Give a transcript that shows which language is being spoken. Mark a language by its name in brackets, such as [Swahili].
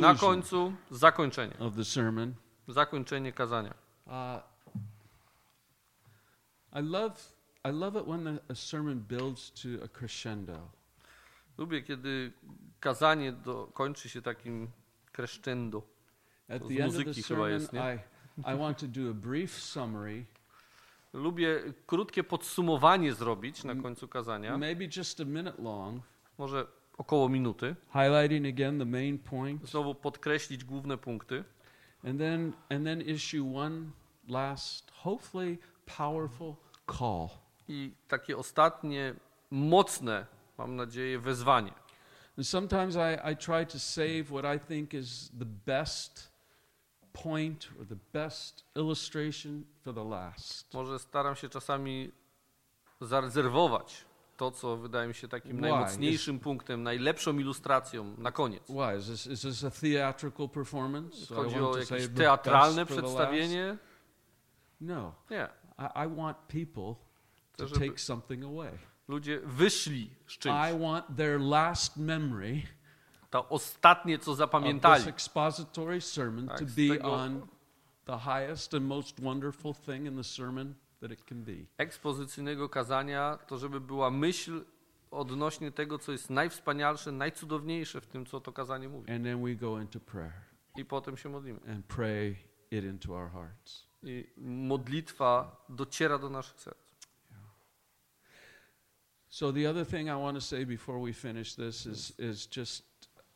[Polish] Na końcu zakończenie. [English] Of the sermon. [Polish] Zakończenie kazania. [English] I love it when a sermon builds to a crescendo. [Polish] Lubię, kiedy kazanie kończy się takim crescendo. [English] At the end of the sermon, I want to do a brief summary. [Polish] Lubię krótkie podsumowanie zrobić na końcu kazania. [English] Maybe just a minute long. [Polish] Może około minuty. [English] Highlighting again the main point. [Polish] Znowu podkreślić główne punkty. [English] And then issue one last, hopefully powerful call. [Polish] I takie ostatnie mocne, mam nadzieję, wezwanie. [English] And sometimes I try to save what I think is the best point or the best illustration for the last. [Polish] Może staram się czasami zarezerwować to, co wydaje mi się takim najmocniejszym punktem, najlepszą ilustracją na koniec. [English] Is this a theatrical performance? [Polish] Chodzi o jakieś teatralne przedstawienie? [English] No. [Polish] Nie. [English] I want people to take something away. [Polish] Ludzie wyszli z czymś. [English] I want their last memory. [Polish] To ostatnie, co zapamiętali. [English] This expository sermon to be on the highest and most wonderful thing in the sermon. that it can be. [Polish] Ekspozycyjnego kazania, to żeby była myśl odnośnie tego, co jest najwspanialsze, najcudowniejsze w tym, co to kazanie mówi. [English] And then we go into prayer. [Polish] I potem się modlimy. [English] And pray it into our hearts. [Polish] I modlitwa dociera do naszych serc. [English] So the other thing I want to say before we finish this is just